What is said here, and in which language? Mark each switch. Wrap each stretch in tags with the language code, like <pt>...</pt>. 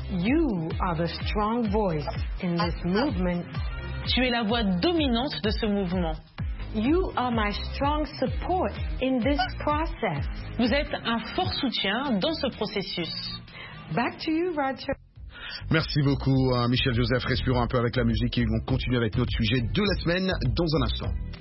<en>You are the strong voice in this movement.</en> <fr>Tu es la voix dominante de ce mouvement.</fr> <en>You are my strong support in this process.</en> <fr>Vous êtes un fort soutien dans ce processus.</fr> <en>Back to you, Roger.</en> <fr>Merci beaucoup, Michel Joseph. Respirons un peu avec la musique et on continue avec notre sujet de la semaine dans un instant.</fr>